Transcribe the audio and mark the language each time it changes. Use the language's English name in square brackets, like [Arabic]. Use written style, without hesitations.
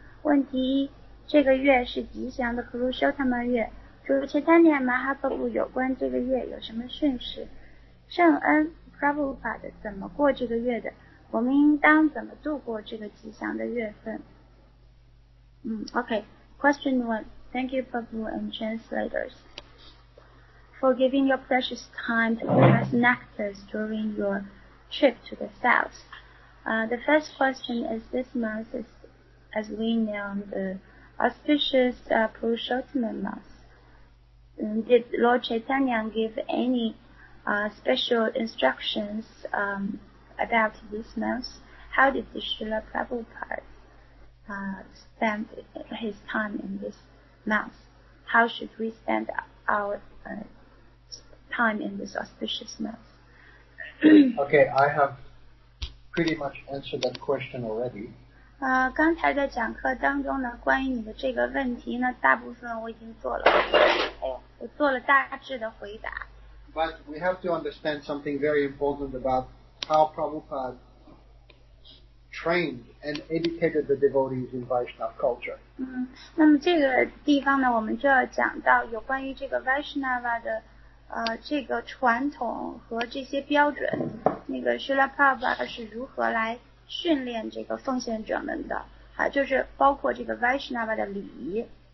[Chinese] 问题一，这个月是吉祥的 Purushottama 月，主持当年马哈爸爸有关这个月有什么顺势？圣恩 Prabhupada 怎么过这个月的？我们应当怎么度过这个吉祥的月份？ [English] Okay. Question one. Thank you, Prabhu and translators, for giving your precious time to pass nectars during your trip to the south. The first question is: this month is, as we know, the auspicious Purushottama month. Did Lord Chaitanya give any special instructions? About this month, how did the Srila Prabhupada spend his time in this month? How should we spend our time in this auspicious month? Okay, I have pretty much answered that question already. [Chinese] 刚才在讲课当中呢，关于你的这个问题呢，大部分我已经做了，我做了大致的回答。 [English] But we have to understand something very important about how Prabhupada trained and educated the devotees in Vaishnava culture. [Chinese] 那么这个地方呢，我们就要讲到有关于这个 Vaishnava 的这个传统和这些标准，那个 Srila Prabhupada 是如何来训练这个奉献者们的，就是包括这个 Vaishnava 的礼仪。